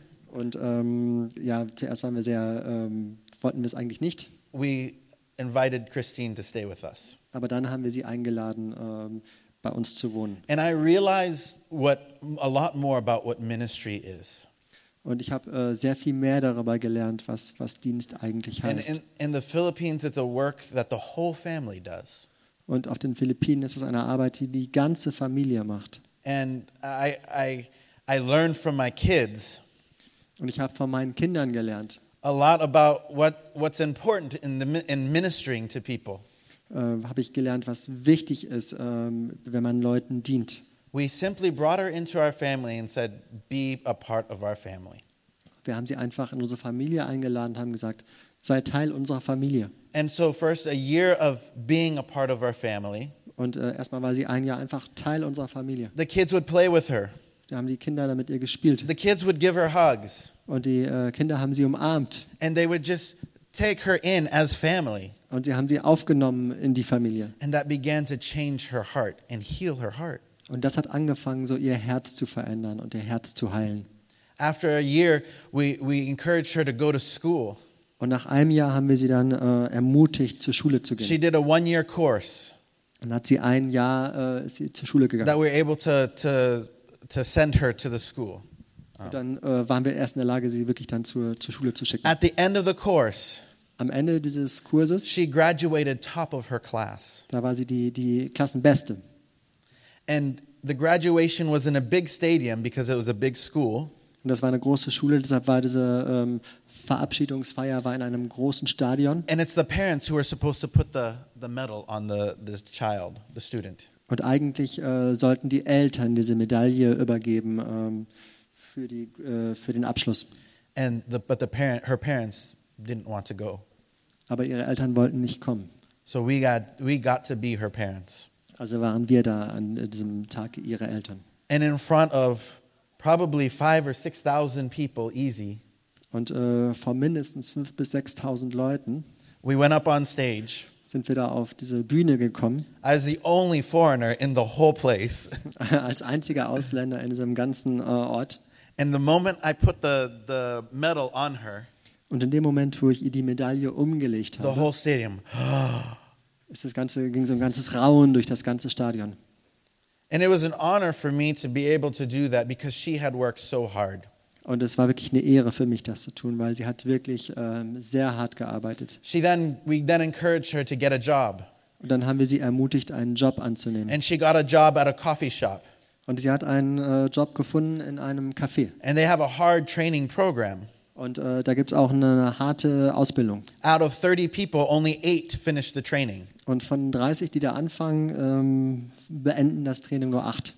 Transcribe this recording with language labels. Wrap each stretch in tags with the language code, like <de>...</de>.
<de>und ja, zuerst waren wir sehr wollten wir es eigentlich nicht.</de> <en>We invited Christine to stay with us.</en> <de>Aber dann haben wir sie eingeladen bei uns zu wohnen.</de> <en>And I realized a lot more about what ministry is.</en> <de>Und ich habe sehr viel mehr darüber gelernt, was Dienst eigentlich heißt.</de> <en>And in the Philippines it's a work that the whole family does.</en> <de>Und auf den Philippinen ist es eine Arbeit, die die ganze Familie macht.</de> <en>And I learned from my kids.</en> <de>Und ich habe von meinen Kindern gelernt.</de> <en>a lot about what's important in ministering to people.</en> <de>Habe ich gelernt, was wichtig ist, wenn man Leuten dient.</de> <en>We simply brought her into our family and said, "Be a part of our family."</en> <de>Wir haben sie einfach in unsere Familie eingeladen und haben gesagt, sei Teil unserer Familie.</de> <en>And so first a year of being a part of our family.</en> <de>Und erstmal war sie ein Jahr einfach Teil unserer Familie.</de> <en>The kids would play with her.</en> <de>Da haben die Kinder damit ihr gespielt.</de> <en>The kids would give her hugs.</en> <de>Und die Kinder haben sie umarmt.</de> <en>And they would just take her in as family.</en> <de>Und sie haben sie aufgenommen in die Familie.</de> <en>And that began to change her heart and heal her heart.</en> <de>Und das hat angefangen, so ihr Herz zu verändern und ihr Herz zu heilen.</de> <en>After a year, we encouraged her to go to school.</en> <de>Und nach einem Jahr haben wir sie dann ermutigt, zur Schule zu gehen.</de> <en>She did a one-year course.</en> <de>Und hat sie ein Jahr sie zur Schule gegangen.</de> <en>That we were able to send her to the school.</en> <de>Und dann waren wir erst in der Lage, sie wirklich dann zur Schule zu schicken.</de> <en>At the end of the course,</en> <de>am Ende dieses Kurses,</de> <en>she graduated top of her class.</en> <de>Da war sie die Klassenbeste.</de> <en>And the graduation was in a big stadium because it was a big school.</en> <de>Und das war eine große Schule, deshalb war diese Verabschiedungsfeier war in einem großen Stadion.</de> <en>And it's the parents who are supposed to put the medal on the child, the student.</en> <de>Und eigentlich sollten die Eltern diese Medaille übergeben für den Abschluss.</de> <en>And her parents didn't want to go.</en> <de>Aber ihre Eltern wollten nicht kommen.</de> <en>So we got to be her parents.</en> <de>Also waren wir da an diesem Tag ihre Eltern.</de> <en>And in front of probably 5,000 or 6,000 people easy.</en> <de>Und vor mindestens 5,000 bis 6,000 Leuten.</de> <en>We went up on stage.</en> <de>Sind wir da auf diese Bühne gekommen.</de> <en>As the only foreigner in the whole place.</en> <de>Als einziger Ausländer in diesem ganzen Ort.</de> <en>And the moment I put the medal on her.</en> <de>Und in dem Moment, wo ich ihr die Medaille umgelegt habe.</de> <en>The whole stadium.</en> <de>Ist das ganze ging so ein ganzes Raunen durch das ganze Stadion.</de> <en>And it was an honor for me to be able to do that because she had worked so hard.</en> <de>Und es war wirklich eine Ehre für mich, das zu tun, weil sie hat wirklich sehr hart gearbeitet.</de> <en>We then encouraged her to get a job.</en> <de>Und dann haben wir sie ermutigt, einen Job anzunehmen.</de> <en>And she got a job at a coffee shop.</en> <de>Und sie hat einen Job gefunden in einem Café.</de> <en>And they have a hard training program.</en> <de>Und da gibt's auch eine harte Ausbildung.</de> <en>Out of 30 people, only 8 finished the training.</en> <de>Und von 30, die da anfangen, beenden das Training nur 8.</de>